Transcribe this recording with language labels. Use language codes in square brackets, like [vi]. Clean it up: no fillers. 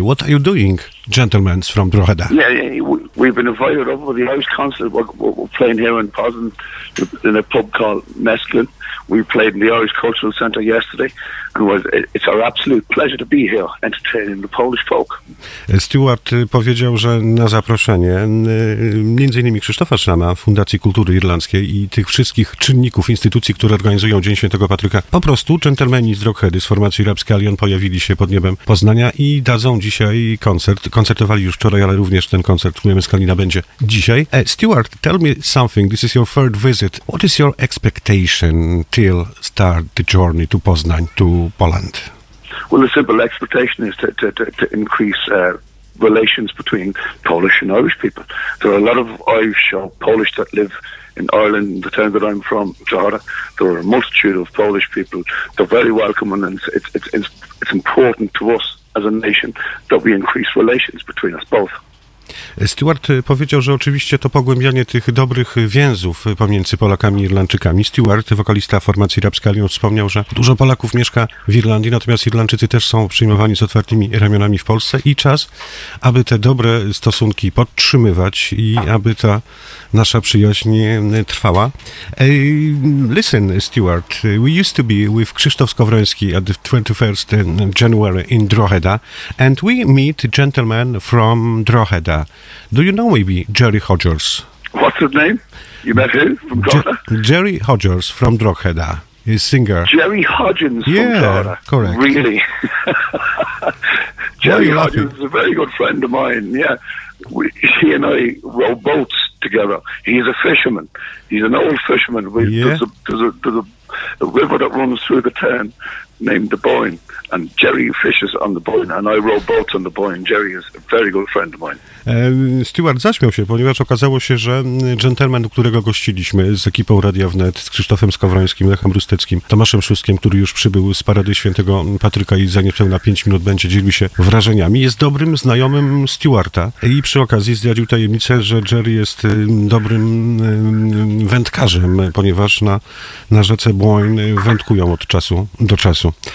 [en] What are you doing, gentlemen from Drogheda? Yeah, we've been invited over to the Irish concert. We're playing here in Poznań in a pub called Mesklin. We played in the Irish Cultural Centre yesterday, and it's our absolute pleasure to be here entertaining the Polish folk. [pl] Stewart powiedział, że na zaproszenie między innymi Krzysztofa Szrama, Fundacji Kultury Irlandzkiej i tych wszystkich czynników, instytucji, które organizują Dzień Świętego Patryka, po prostu dżentelmeni z Drogheda, z formacji Rapscallion pojawili się pod niebem Poznania i dadzą dzisiaj koncert. Koncertowali już wczoraj, ale również ten koncert w Mesklinie będzie dzisiaj. [en] Stewart, tell me something. This is your third visit. What is your expectation till start the journey to Poznań, to Poland? Well, the simple expectation is to increase relations between Polish and Irish people. There are a lot of Irish or Polish that live in Ireland, the town that I'm from, Drogheda. There are a multitude of Polish people. They're very welcome, and it's important to us as a nation that we increase relations between us both. [pl] Stewart powiedział, że oczywiście to pogłębianie tych dobrych więzów pomiędzy Polakami i Irlandczykami. Stewart, wokalista formacji Rapscallion, wspomniał, że dużo Polaków mieszka w Irlandii, natomiast Irlandczycy też są przyjmowani z otwartymi ramionami w Polsce i czas, aby te dobre stosunki podtrzymywać i aby ta nasza przyjaźń trwała. [en] Listen, Stewart, we used to be with Krzysztof Skowroński at the 21st January in Drogheda, and we meet gentlemen from Drogheda. Do you know maybe Jerry Hodgers? What's his name? You met him from Drogheda? Jerry Hodgers from Drogheda. He's a singer. Jerry Hodgins from Drogheda. Yeah, correct. Really? Jerry Hodgins is a very good friend of mine. Yeah. He and I row boats together. He's a fisherman. He's an old fisherman. There's a river that runs through the town named the Boyne. And Jerry fishes on the Boyne, and I row boats on the Boyne. Jerry is a very good friend of mine. [pl] Stewart zaśmiał się, ponieważ okazało się, że dżentelmen, którego gościliśmy z ekipą Radia Wnet, z Krzysztofem Skowrońskim, Lechem Rusteckim, Tomaszem Szuskiem, który już przybył z Parady Świętego Patryka i za niepełna 5 minut będzie dzielił się wrażeniami, jest dobrym znajomym Stewarta i przy okazji zdradził tajemnicę, że Jerry jest dobrym wędkarzem, ponieważ na rzece Boyne wędkują od czasu do czasu.